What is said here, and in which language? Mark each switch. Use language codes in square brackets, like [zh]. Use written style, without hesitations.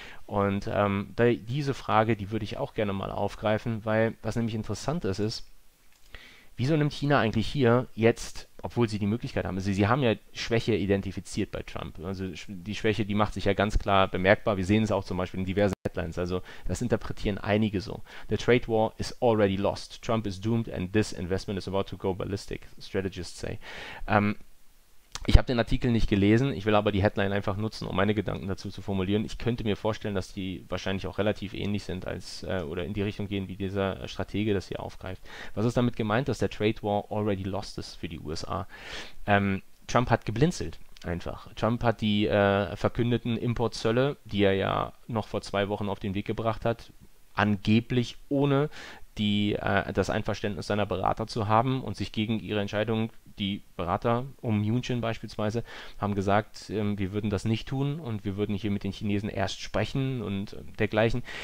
[de] Und diese Frage, die würde ich auch gerne mal aufgreifen, weil was nämlich interessant ist, ist, wieso nimmt China eigentlich hier jetzt, obwohl sie die Möglichkeit haben, sie haben ja Schwäche identifiziert bei Trump. Also die Schwäche, die macht sich ja ganz klar bemerkbar. Wir sehen es auch zum Beispiel in diversen Headlines. Also das interpretieren einige so. [en] The trade war is already lost. Trump is doomed and this investment is about to go ballistic, strategists say. [de] Ich habe den Artikel nicht gelesen, ich will aber die Headline einfach nutzen, um meine Gedanken dazu zu formulieren. Ich könnte mir vorstellen, dass die wahrscheinlich auch relativ ähnlich sind als oder in die Richtung gehen, wie dieser Stratege das hier aufgreift. Was ist damit gemeint, dass der Trade War [en] already lost [de] ist für die USA? Trump hat geblinzelt einfach. Trump hat die verkündeten Importzölle, die er ja noch vor 2 Wochen auf den Weg gebracht hat, angeblich ohne das Einverständnis seiner Berater zu haben und sich gegen ihre Entscheidung, die Berater um München beispielsweise, haben gesagt, wir würden das nicht tun und wir würden hier mit den Chinesen erst sprechen und dergleichen.